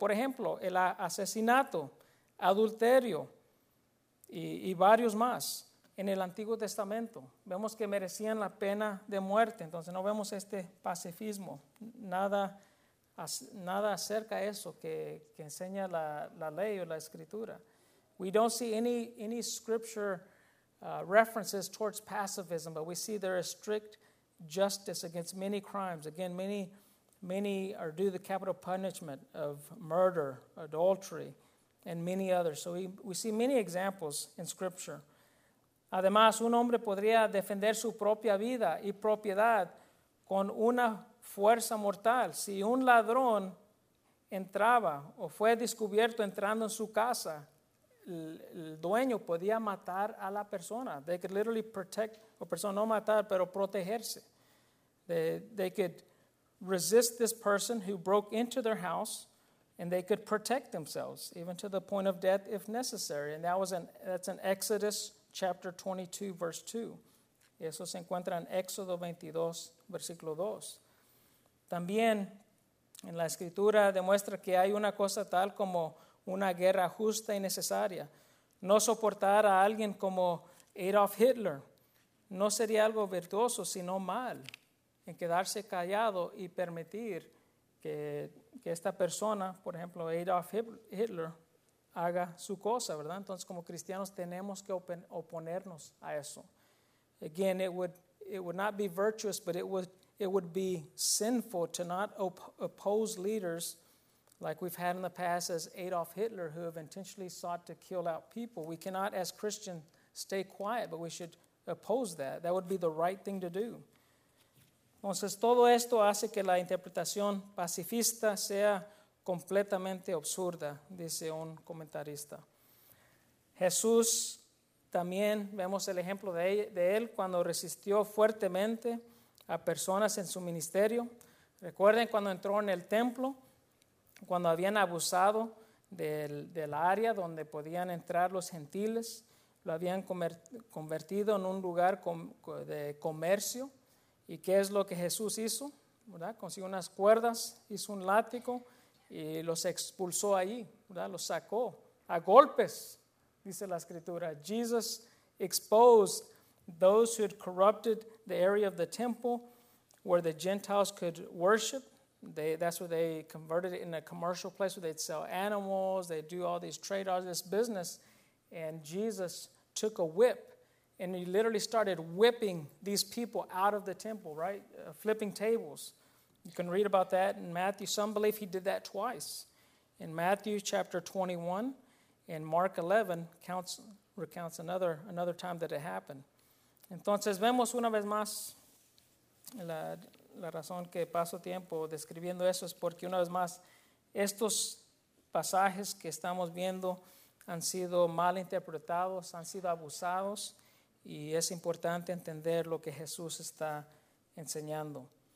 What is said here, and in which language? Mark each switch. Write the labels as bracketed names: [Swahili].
[Spanish] Por ejemplo, el asesinato, adulterio y varios más en el Antiguo Testamento. Vemos que merecían la pena de muerte. Entonces no vemos este pacifismo, nada acerca de eso que enseña la ley o la escritura. [English] We don't see any scripture references towards pacifism, but we see there is strict justice against many crimes. Again, many are due the capital punishment of murder, adultery, and many others. So we see many examples in scripture. [Spanish] Además, un hombre podría defender su propia vida y propiedad con una fuerza mortal. Si un ladrón entraba o fue descubierto entrando en su casa, el dueño podía matar a la persona. [English] They could literally protect, [Spanish] o persona no matar, pero protegerse. [English] They could resist this person who broke into their house, and they could protect themselves, even to the point of death if necessary. And that's in Exodus chapter 22, verse 2. [Spanish] Y eso se encuentra en Éxodo 22, versículo 2. También en la escritura demuestra que hay una cosa tal como una guerra justa y necesaria. No soportar a alguien como Adolf Hitler no sería algo virtuoso, sino mal, en quedarse callado y permitir que esta persona, por ejemplo, Adolf Hitler, haga su cosa, ¿verdad? Entonces, como cristianos, tenemos que oponernos a eso. [English] Again, it would not be virtuous, but it would be sinful to not oppose leaders like we've had in the past as Adolf Hitler, who have intentionally sought to kill out people. We cannot, as Christians, stay quiet, but we should oppose that. That would be the right thing to do. [Spanish] Entonces, todo esto hace que la interpretación pacifista sea completamente absurda, dice un comentarista. Jesús, también vemos el ejemplo de él cuando resistió fuertemente a personas en su ministerio. Recuerden cuando entró en el templo, cuando habían abusado del área donde podían entrar los gentiles, lo habían convertido en un lugar de comercio. ¿Y qué es lo que Jesús hizo? ¿Verdad? Consiguió unas cuerdas, hizo un látigo y los expulsó ahí, ¿verdad? Los sacó a golpes, dice la escritura. [English] Jesus exposed those who had corrupted the area of the temple where the Gentiles could worship. That's where they converted it in a commercial place where they'd sell animals, they'd do all these trade, all this business. And Jesus took a whip and he literally started whipping these people out of the temple, right? Flipping tables. You can read about that in Matthew. Some believe he did that twice. In Matthew chapter 21 and Mark 11 recounts another time that it happened. [Spanish] Entonces vemos una vez más la razón que paso tiempo describiendo eso es porque una vez más estos pasajes que estamos viendo han sido mal interpretados, han sido abusados y es importante entender lo que Jesús está enseñando.